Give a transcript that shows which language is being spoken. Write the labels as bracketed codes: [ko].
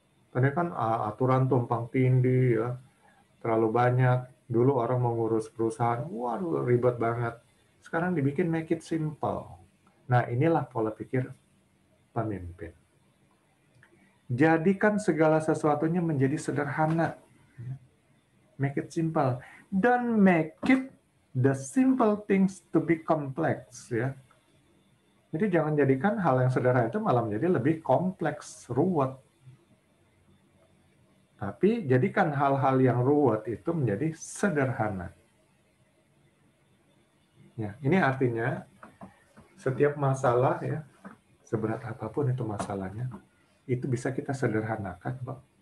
[id] Tadi kan aturan tumpang tindih, ya, terlalu banyak. Dulu orang mengurus perusahaan, waduh ribet banget. Sekarang dibikin [en] make it simple. [id] Nah inilah pola pikir pemimpin. Jadikan segala sesuatunya menjadi sederhana. [en] Make it simple. Don't make it the simple things to be complex. [id] Ya. Jadi jangan jadikan hal yang sederhana itu malah menjadi lebih kompleks, ruwet. Tapi jadikan hal-hal yang ruwet itu menjadi sederhana. Ya, ini artinya setiap masalah, ya, seberat apapun itu masalahnya, itu bisa kita sederhanakan, Pak.